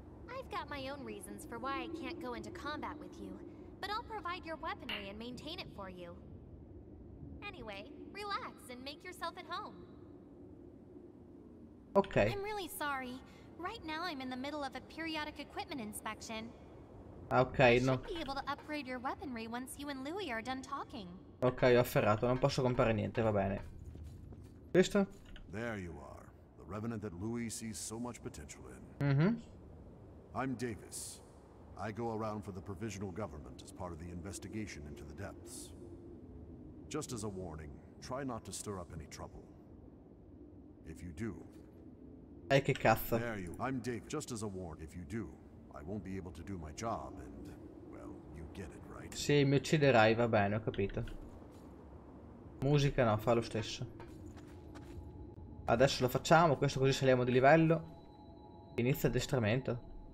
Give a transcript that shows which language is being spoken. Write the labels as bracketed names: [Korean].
[English] I've got my own reasons for why I can't go into combat with you, but I'll provide your weaponry and maintain it for you. Anyway, relax and make yourself at home. Okay. I'm really sorry. Right now I'm in the middle of a periodic equipment inspection. Okay, no. You'll be able to upgrade your weaponry once you and Louis are done talking. [Italian] Ok, ho afferrato, non posso comprare niente, va bene. Questo? [English] There you are, the revenant that Louis sees so much potential in. I'm Davis. I go around for the provisional government as part of the investigation into the depths. Just as a warning, try not to stir up any trouble. If you do. [Italian] Ehi, che cazzo. [English] There you are. I'm Davis. Just as a warning, if you do, I won't be able to do my job and, well, you get it, right? [Italian] Sì, mi ucciderai, va bene, ho capito. Musica no, fa lo stesso. Adesso lo facciamo, questo così saliamo di livello. Inizia addestramento.